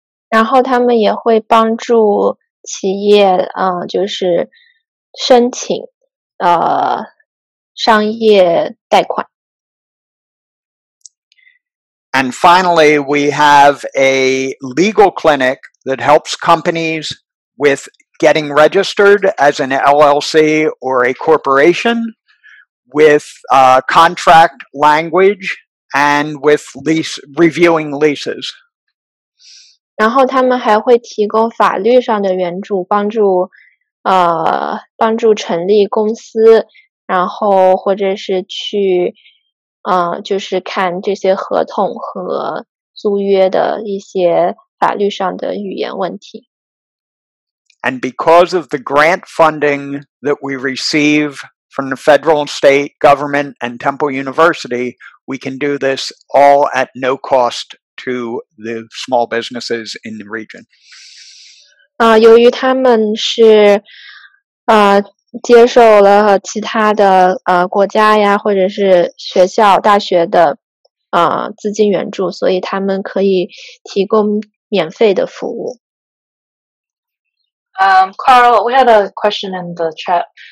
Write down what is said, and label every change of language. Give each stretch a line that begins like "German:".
Chinese: 然后他们也会帮助企业，就是申请商业贷款。
English: And finally, we have a legal clinic that helps companies with getting registered as an LLC or a corporation with contract language and with reviewing leases.
Chinese: 然后他们还会提供法律上的援助，帮助成立公司，然后或者是去就是看这些合同和租约的一些法律上的语言问题。
English: And because of the grant funding that we receive from the federal and state government and Temple University, we can do this all at no cost to the small businesses in the region.
Chinese: 由于他们是接受了其他的国家呀，或者是学校、大学的资金援助，所以他们可以提供免费的服务。
English: Carl, we had a question in the chat.